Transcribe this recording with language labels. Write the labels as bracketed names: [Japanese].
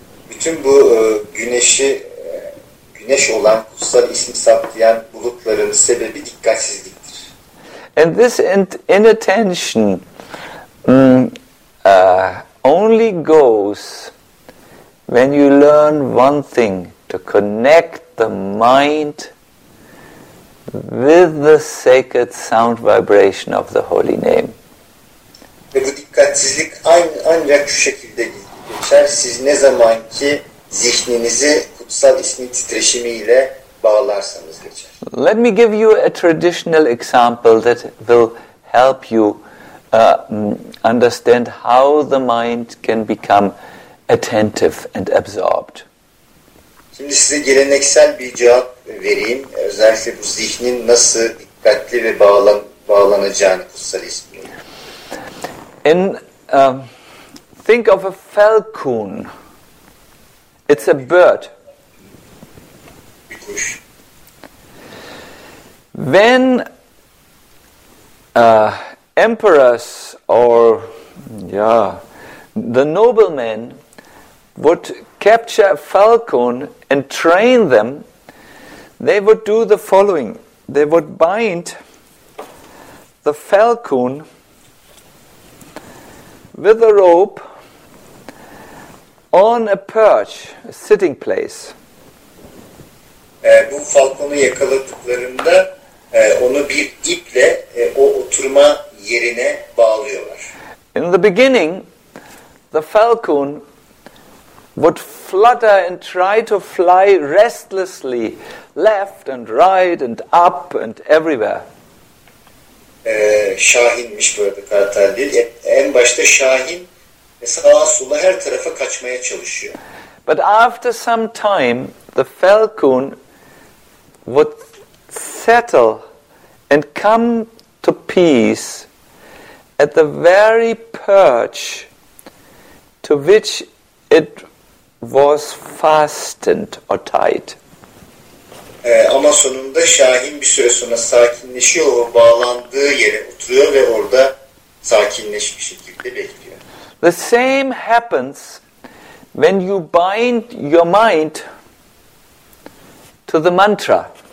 [Turkish] Bütün bu güneş olan kutsal ismi saklayan bulutların sebebi dikkatsizliktir. [English] And this inattention only goes when you learn one thing, to connect the mind with the sacred sound vibration of the holy name. [Turkish] Ve bu dikkatsizlik ancak şu şekilde geçer. Siz ne zaman ki zihninizi kutsal ismin titreşimiyle bağlarsanız geçer. [English] Let me give you a traditional example that will help you understand how the mind can become attentive and absorbed. [Turkish] Şimdi size geleneksel bir cevap vereyim. Özellikle bu zihnin nasıl dikkatli ve bağlanacağını kutsal ismin. [English] And think of a falcon. It's a bird. When emperors or the noblemen would capture a falcon and train them, they would do the following. They would bind the falcon with a rope on a perch, a sitting place. [Turkish] Bu falkonu yakaladıklarında onu bir iple o oturma yerine bağlıyorlar. [English] In the beginning, the falcon would flutter and try to fly restlessly left and right and up and everywhere. [Turkish] Şahinmiş bu arada kartal değil. En başta Şahin sağa sola her tarafa kaçmaya çalışıyor. [English] But after some time the falcon would settle and come to peace at the very perch to which it was fastened or tied. [Turkish] Ama sonunda Şahin bir süre sonra sakinleşiyor, o bağlandığı yere oturuyor ve orada sakinleşmiş şekilde bekliyor. [English] The same happens when you bind your mind to the mantra.